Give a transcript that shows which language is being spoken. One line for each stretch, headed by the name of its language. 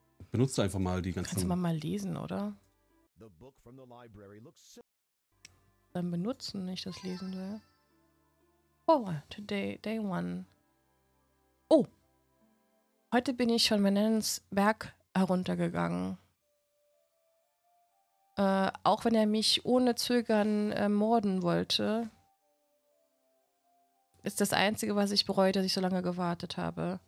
German: Benutze einfach mal die ganzen... Kannst du mal lesen, oder?
English: The book from the library looks so.
German: Dann benutzen, wenn ich das lesen will.
English: Oh, today, day one.
German: Oh! Heute bin ich schon Menenens Berg heruntergegangen. Auch wenn er mich ohne Zögern morden wollte, ist das Einzige, was ich bereue, dass ich so lange gewartet habe.